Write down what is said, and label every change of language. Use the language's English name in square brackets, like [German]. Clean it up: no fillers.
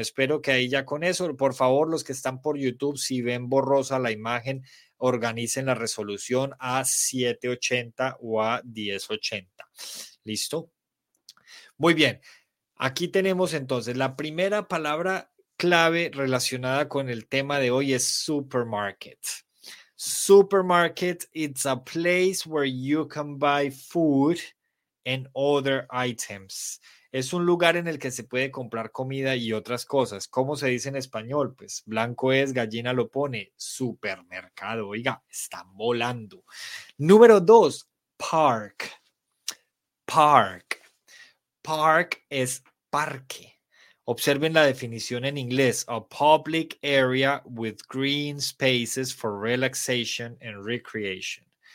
[Spanish] Espero que ahí ya con eso, por favor, los que están por YouTube, si ven borrosa la imagen, organicen la resolución a 780 o a 1080. ¿Listo? Muy bien. Aquí tenemos entonces la primera palabra clave relacionada con el tema de hoy es supermarket. [English] Supermarket, it's a place where you can buy food and other items. [Spanish] Es un lugar en el que se puede comprar comida y otras cosas. ¿Cómo se dice en español? Pues blanco es, gallina lo pone, supermercado. Oiga, están volando. Número dos, park. Park. Park es parque. Observen la definición en inglés: [English] a public area with green spaces for relaxation and recreation.